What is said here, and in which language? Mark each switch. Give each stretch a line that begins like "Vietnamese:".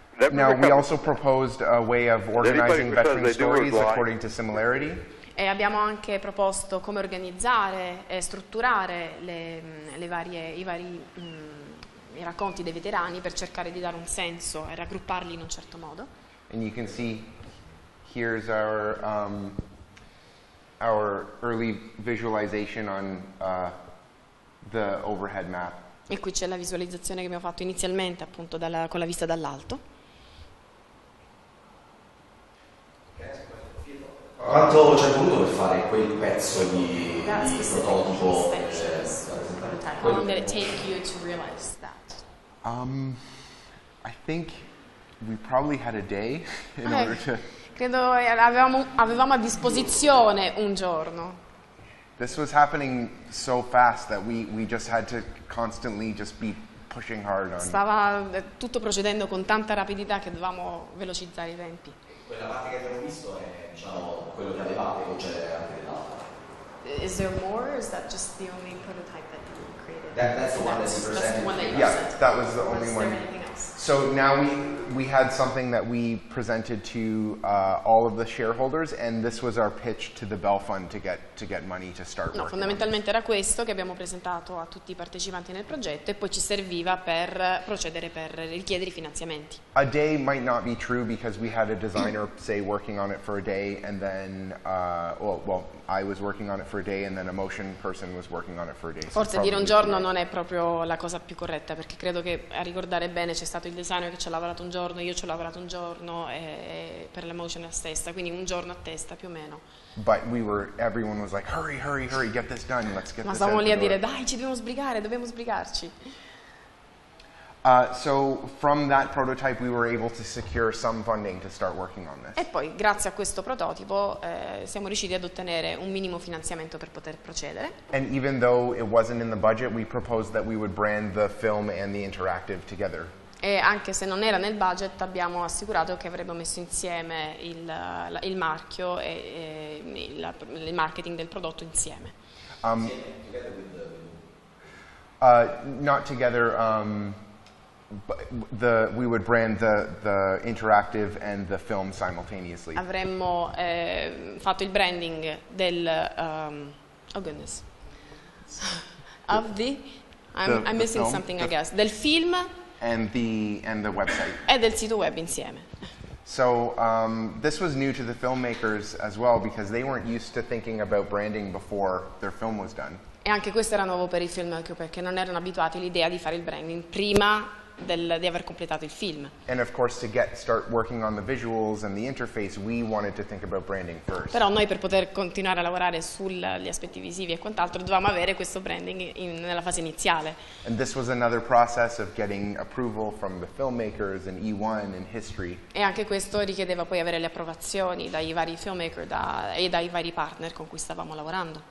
English: Now we also proposed a way of organizing veteran stories according to similarity.
Italian: E abbiamo anche proposto come organizzare e strutturare i vari racconti dei veterani per cercare di dare un senso e raggrupparli in un certo modo.
English: And you can see here's our early visualization on the overhead map.
Italian: E qui c'è la visualizzazione che abbiamo fatto inizialmente, appunto, con la vista dall'alto. Quanto ci è voluto per fare quel pezzo di prototipo?
English: How long did it take you to realize that? I think we probably had a day in order to.
Italian: Credo avevamo a disposizione un giorno.
English: This was happening so fast that we just had to constantly just be pushing hard on.
Italian: Stava tutto procedendo con tanta rapidità che dovevamo velocizzare i tempi. Quella parte che abbiamo visto è, diciamo, quello che avevate, o c'è anche dell'altra?
English: Is there more, or is that just the only prototype that you created? That's the one that you presented. Yeah, that was the only one. Is there anything else? So now we had something that we presented to all of the shareholders, and this was our pitch to the Bell Fund to get money to start working.
Italian: No, fondamentalmente era questo che abbiamo presentato a tutti i partecipanti nel progetto e poi ci serviva per procedere per richiedere i finanziamenti.
English: A day might not be true because we had a designer say working on it for a day, and then I was working on it for a day, and then a motion person was working on it for a day.
Italian: Forse dire un giorno non è proprio la cosa più corretta, perché credo che a ricordare bene c'è stato il designer che ci ha lavorato un giorno, io ci ho lavorato un giorno per la motion a testa, quindi un giorno a testa più o meno.
English: But everyone was like, hurry, hurry, hurry, get this done, let's get this done.
Italian: Ma stavamo lì a dire, dai, ci dobbiamo sbrigare, dobbiamo sbrigarci.
English: So from that prototype we were able to secure some funding to start working on this.
Italian: E poi grazie a questo prototipo siamo riusciti ad ottenere un minimo finanziamento per poter procedere.
English: And even though it wasn't in the budget, we proposed that we would brand the film and the interactive together.
Italian: E anche se non era nel budget abbiamo assicurato che avremmo messo insieme il marchio e il marketing del prodotto insieme.
English: Not together, but we would brand the interactive and the film simultaneously.
Italian: Avremmo fatto il branding del oh goodness.
English: Of the I'm missing film, something, I guess.
Italian: Del film
English: and the website.
Italian: E del sito web insieme.
English: So this was new to the filmmakers as well because they weren't used to thinking about branding before their film was done.
Italian: E anche questo era nuovo per i filmmaker perché non erano abituati all'idea di fare il branding prima di aver completato il film.
English: And of course to start working on the visuals and the interface we wanted to think about branding first.
Italian: Però noi per poter continuare a lavorare sugli aspetti visivi e quant'altro dovevamo avere questo branding nella fase iniziale.
English: And this was another process of getting approval from the filmmakers and E1 and history.
Italian: E anche questo richiedeva poi avere le approvazioni dai vari filmmaker e dai vari partner con cui stavamo lavorando.